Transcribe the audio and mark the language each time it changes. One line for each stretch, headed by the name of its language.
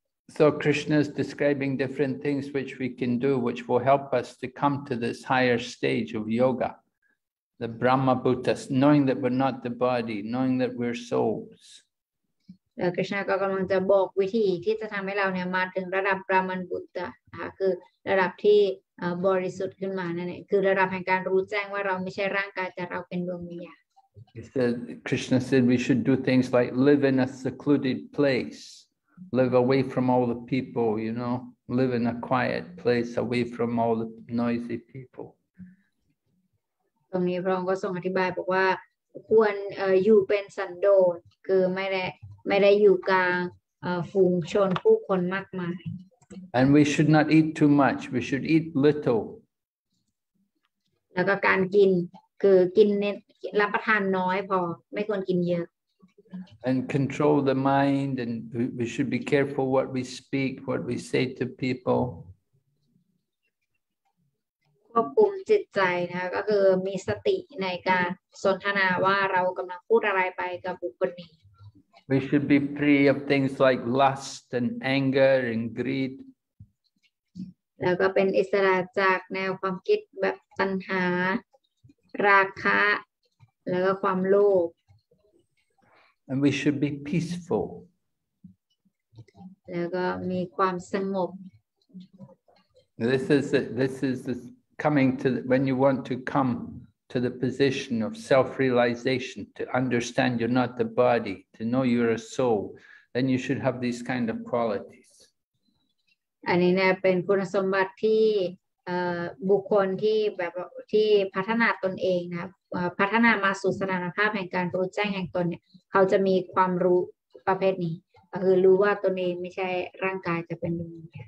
English: So Krishna is describing different things which we can do which will help us to come to this higher stage of yoga the Brahma Bhutas knowing that we're not the body knowing that we're souls
Thai: แล้วคริชนาก็กำลังจะบอกวิธีที่จะทำให้เราเนี่ยมาถึงระดับบรามันบุตรคือระดับที่บริสุทธิ์ขึ้นมานั่นเองคือระดับแห่งการรู้แจ้งว่าเราไม่ใช่ร่างกายแต่เราเป็นดวงวิญญาณ
English: Krishna said we should do things like live in a secluded place live away from all the people you know live in a quiet place away from all the noisy people
Thai: ตรงนี้พระองค์ก็ทรงอธิบายบอกว่าควรอยู่เป็นสันโดษคือไม่ได้อยู่กลางฝูงชนผู้คนมากมาย
English: And we should not eat too much. We should eat little.
Thai: แล้วก็การกินคือกินเน้นรับประทานน้อยพอไม่ควรกินเยอะ
English: And control the mind. And we should be careful what we speak, what we say to people.
Thai: ควบคุมจิตใจนะก็คือมีสติในการสนทนาว่าเรากำลังพูดอะไรไปกับบุคคลนี้
English: We should be free of things like lust and anger and greed.
Thai: แล้วก็เป็นอิสระจากแนวความคิดแบบตัณหาราคะแล้วก็ความโลภ
English: And we should be peaceful.
Thai: แล้วก็มีความสงบ
English: This is coming to when you want to come to the position of self-realization, to understand you're not the body, to know you're a soul, then you should have these kind of qualities.
Thai: อันนี้เนี่ยเป็นคุณสมบัติที่บุคคลที่แบบที่พัฒนาตนเองนะพัฒนามาสู่สถานภาพแห่งการรู้แจ้งแห่งตนเนี่ยเขาจะมีความรู้ประเภทนี้ก็คือรู้ว่าตนเองไม่ใช่ร่างกายจะเป็นดวงวิญญา